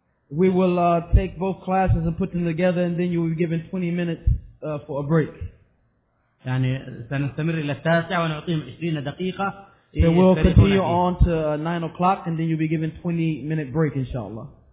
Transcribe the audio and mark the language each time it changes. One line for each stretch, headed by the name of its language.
English: We will take both classes and put them together and then you will be given 20 minutes for a break
Arabic: يعني سنستمر إلى التاسعة ونعطيهم 20 دقيقة
English: So we'll continue on to 9 o'clock and then you'll be given 20 minute break inshallah.